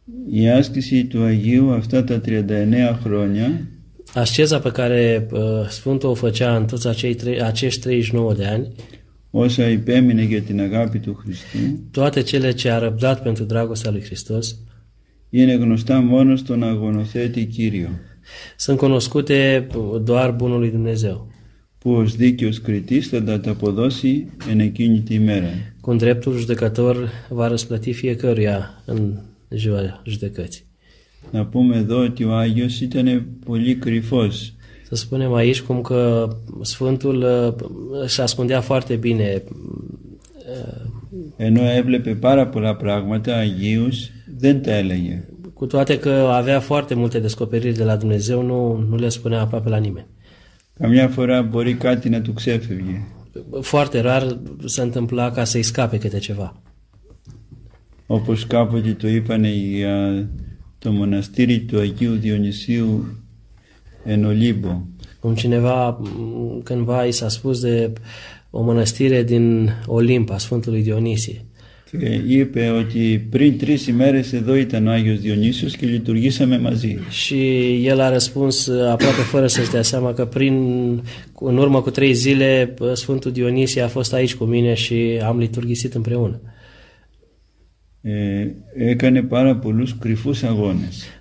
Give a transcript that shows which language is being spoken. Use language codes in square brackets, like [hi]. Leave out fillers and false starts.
[el] Η άσκηση του Αγίου αυτά τα 39 χρόνια. [ro] Asceza pe care Sfântul o făcea în toți acești 39 de ani. [el] Όσα υπέμεινε για την αγάπη του Χριστού. [ro] Toate cele ce a răbdat pentru dragostea lui Hristos. [el] Είναι γνωστά μόνο στον αγωνοθέτη Κύριο. [ro] Sunt cunoscute doar bunului Dumnezeu. [el] Που ως δίκαιος κριτής θα τα αποδώσει εν εκείνη τη μέρα. [ro] Cu dreptul judecător va răsplăti fiecăruia în ziua judecății. [el] Να πούμε εδώ ότι ο Άγιος ήταν πολύ κρυφός. [ro] Să spunem aici cum că Sfântul se ascundea foarte bine. [el] Ενώ έβλεπε πάρα πολλά πράγματα Αγίους, δεν τα έλεγε. [ro] Cu toate că avea foarte multe descoperiri de la Dumnezeu, nu le spunea aproape la nimeni. [el] Καμιά φορά μπορεί κάτι να του ξέφευγε. [ro] Foarte rar se întâmpla ca să-i scape câte ceva. [el] Όπως κάποτε το είπανε για το μοναστήρι του Αγίου Διονυσίου εν Ολύμπο. [ro] Cum cineva cândva i s-a spus de o mănăstire din Olimp, a Sfântului Dionisie. [el] Και είπε ότι πριν τρεις ημέρες εδώ ήταν ο Άγιος Διονύσιος και λειτουργήσαμε μαζί. [ro] Și el a răspuns aproape fără să-și dea seama că în urmă cu trei zile Sfântul Dionisie a fost aici cu mine și am liturghisit împreună. [el] Έκανε πάρα πολλούς κρυφούς αγώνες.